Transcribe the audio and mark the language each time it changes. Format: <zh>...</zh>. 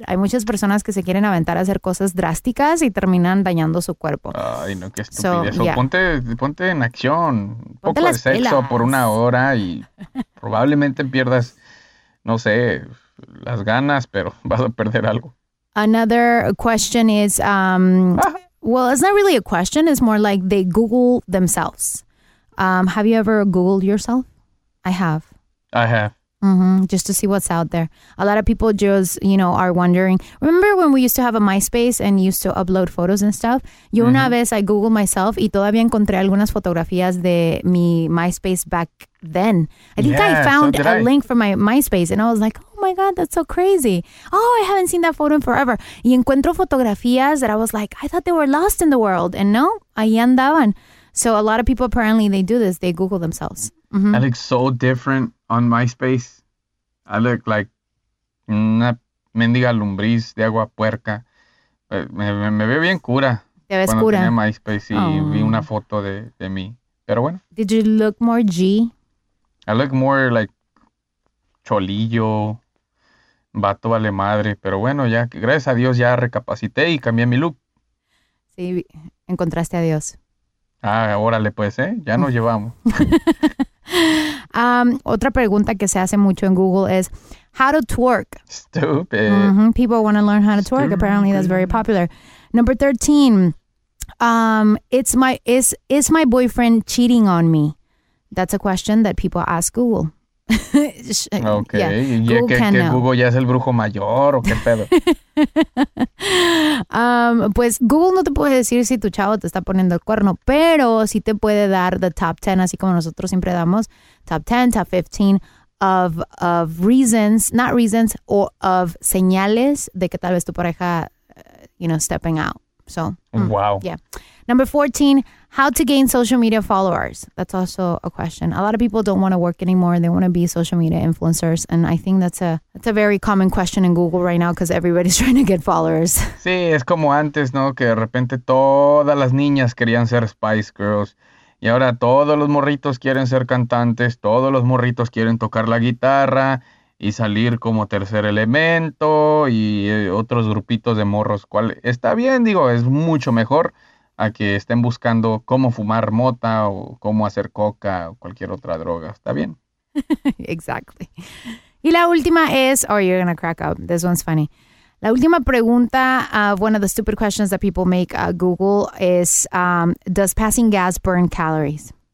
<es>Hay muchas personas que se quieren aventar a hacer cosas drásticas y terminan dañando su cuerpo. Ay, no, qué estupidez.</es> <en>So, yeah.</en> <es>Ponte en acción. Ponte poco de sexo pilas. Por una hora y probablemente pierdas, no sé, las ganas, pero vas a perder algo.</es> <en>Another question is, well, it's not really a question. It's more like they Google themselves. Have you ever Googled yourself? I have. Mm-hmm. Just to see what's out there. A lot of people just, you know, are wondering. Remember when we used to have a MySpace and used to upload photos and stuff?</en> <es>Yo una vez</es> <en>I Googled myself</en> <es>y todavía encontré algunas fotografías de mi MySpace</es> <en>back then. I think yeah, I found so did a I. link for my MySpace and I was like, oh my God, that's so crazy. Oh, I haven't seen that photo in forever.</en> <es>Y encuentro fotografías</es> <en>that I was like, I thought they were lost in the world. And no,</en> <es>ahí andaban.</es> <en>So a lot of people, apparently, they do this. They Google themselves. Mm-hmm. I look so different on MySpace. I look like</en> <es>una mendiga lumbriz de agua puerca. Me veo bien cura. Te ves cura. Cuando tenía MySpace y vi una foto de mí. Pero bueno.</es> <en>Did you look more G? I look more like cholillo,</en> <es>vato vale madre. Pero bueno, ya gracias a Dios ya recapacité y cambié mi look. Sí, encontraste a Dios. Ah, órale pues, ya nos llevamos. Otra pregunta que se hace mucho en Google es</es> <en>how to twerk. Stupid. Mm-hmm. People want to learn how to twerk. Apparently that's very popular. Number 13. Is my boyfriend cheating on me? That's a question that people ask Google. Okay. Yeah.</en> <es>Google ya es el brujo mayor o qué pedo. Pues Google no te puede decir si tu chavo te está poniendo el cuerno, pero sí te puede dar</es> <en>the top 10,</en> <es>así como nosotros siempre damos top 10, top 15</es> <en>of reasons, not reasons, or of</en> <es>señales de que tal vez tu pareja,</es> <en>you know, stepping out. So, wow. Yeah. Number 14, how to gain social media followers? That's also a question. A lot of people don't want to work anymore. They want to be social media influencers. And I think that's a very common question in Google right now because everybody's trying to get followers.</en> <es>Sí, es como antes, ¿no? Que de repente todas las niñas querían ser Spice Girls. Y ahora todos los morritos quieren ser cantantes. Todos los morritos quieren tocar la guitarra y salir como tercer elemento y otros grupitos de morros. ¿Cuál? Está bien, digo, es mucho mejor a que estén buscando cómo fumar mota o cómo hacer coca o cualquier otra droga. Está bien.</es> <en>Exactly.</en> <es>Y la última es,</es> <en>oh, you're going to crack up. This one's funny.</en> <es>La última pregunta</es> <en>of one of the stupid questions that people make at Google is, does passing gas burn calories?</en>